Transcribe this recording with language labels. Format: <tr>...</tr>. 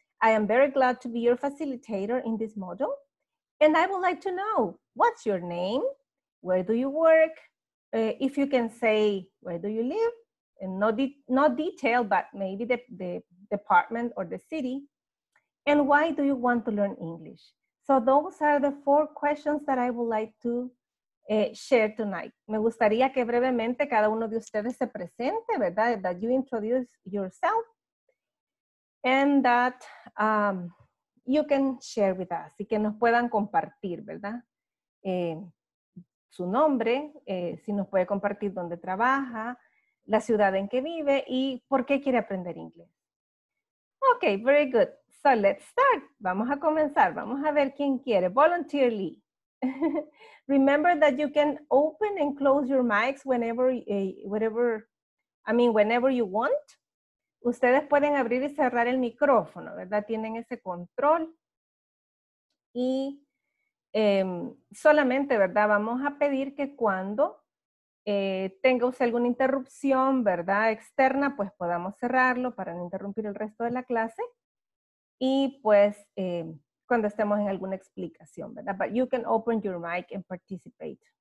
<en>I am very glad to be your facilitator in this module. And I would like to know, what's your name? Where do you work? If you can say, where do you live? And no detail, but maybe the department or the city. And why do you want to learn English? So those are the 4 questions that I would like to share tonight.</en> <es>Me gustaría que brevemente cada uno de ustedes se presente, ¿verdad?</es> <en>That you introduce yourself and that you can share with us</en> <es>y que nos puedan compartir, ¿verdad? Su nombre, si nos puede compartir dónde trabaja, la ciudad en que vive y por qué quiere aprender inglés.</es> <en>Okay, very good. So let's start.</en> <es>Vamos a comenzar. Vamos a ver quién quiere. Volunteer Lee.</es> <en>Remember that you can open and close your mics whenever you want.</en> <es>Ustedes pueden abrir y cerrar el micrófono, ¿verdad? Tienen ese control. Y solamente, ¿verdad? Vamos a pedir que cuando tenga usted alguna interrupción, ¿verdad? Externa, pues podamos cerrarlo para no interrumpir el resto de la clase. Y pues, cuando estemos en alguna explicación, ¿verdad?</es> <en>But you can open your mic and participate.</en>